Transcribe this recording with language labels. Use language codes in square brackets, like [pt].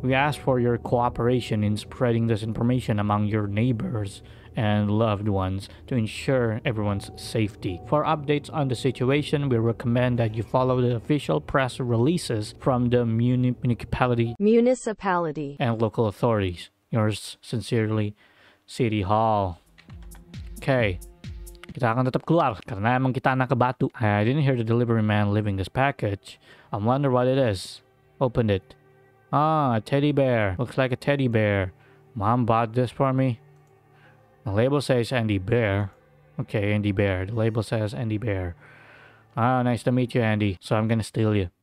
[en] We ask for your cooperation in spreading this information among your neighbors and loved ones to ensure everyone's safety. For updates on the situation, we recommend that you follow the official press releases from the municipality and local authorities. Yours sincerely, City Hall. Okay. [id] Kita akan tetap keluar karena emang kita anak ke batu. [en] I didn't hear the delivery man leaving this package. I wonder what it is. Opened it. Ah, a teddy bear. Looks like a teddy bear. Mom bought this for me. The label says Andy Bear. Okay, Andy Bear. The label says Andy Bear. Ah, nice to meet you, Andy. So I'm gonna steal you.